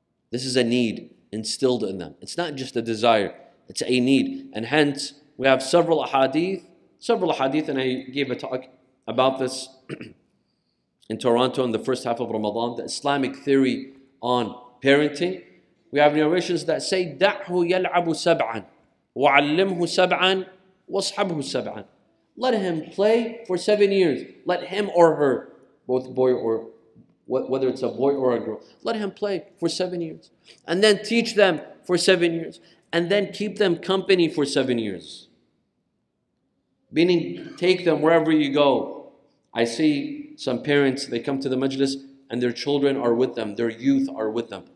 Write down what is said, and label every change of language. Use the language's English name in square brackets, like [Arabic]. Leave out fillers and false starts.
[English] This is a need instilled in them. It's not just a desire, it's a need. And hence, we have several ahadith, and I gave a talk about this in Toronto in the first half of Ramadan, the Islamic theory on parenting. We have narrations that say, [Arabic] دَعْهُ يَلْعَبُ سَبْعًا وَعَلِّمْهُ سَبْعًا وَصْحَبْهُ سَبْعًا. [English] Let him play for 7 years. Let him or her, both boy or whether it's a boy or a girl, let him play for 7 years. And then teach them for 7 years. And then keep them company for 7 years. Meaning, take them wherever you go. I see some parents, they come to the majlis and their children are with them, their youth are with them.